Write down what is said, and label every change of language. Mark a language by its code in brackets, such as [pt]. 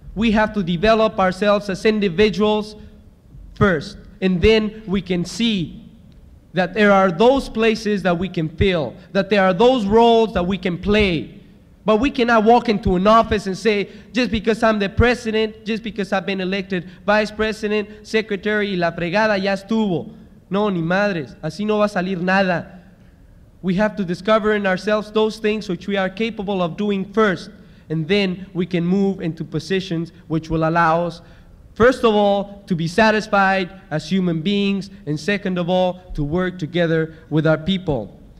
[en] We have to develop ourselves as individuals first, and then we can see that there are those places that we can fill, that there are those roles that we can play. But we cannot walk into an office and say, just because I'm the president, just because I've been elected vice president, secretary, [es] y la fregada ya estuvo. No, ni madres, así no va a salir nada. [en] We have to discover in ourselves those things which we are capable of doing first, and then we can move into positions which will allow us, first of all, to be satisfied as human beings, and second of all, to work together with our people.